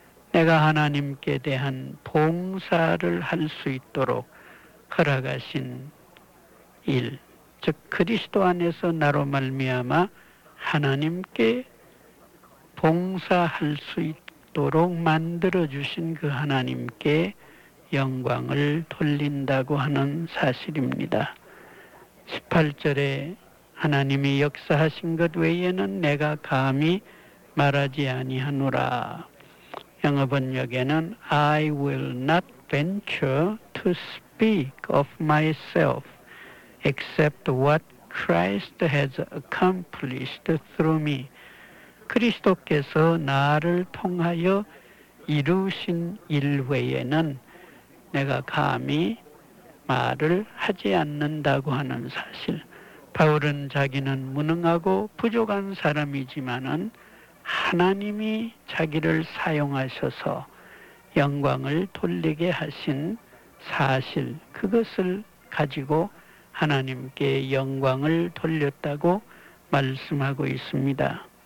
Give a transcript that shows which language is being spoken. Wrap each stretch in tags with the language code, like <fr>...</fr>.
<ko>내가 하나님께 대한 봉사를 할 수 있도록 허락하신 일, 즉 그리스도 안에서 나로 말미암아 하나님께 봉사할 수 있도록 만들어주신 그 하나님께 영광을 돌린다고 하는 사실입니다. 18절에 하나님이 역사하신 것 외에는 내가 감히 말하지 아니하노라.</ko> <en>영어 번역에는 I will not venture to speak of myself except what Christ has accomplished through me.</en> <ko>그리스도께서 나를 통하여 이루신 일 외에는 내가 감히 말을 하지 않는다고 하는 사실. 바울은 자기는 무능하고 부족한 사람이지만은 하나님이 자기를 사용하셔서 영광을 돌리게 하신 사실, 그것을 가지고 하나님께 영광을 돌렸다고 말씀하고 있습니다.</ko>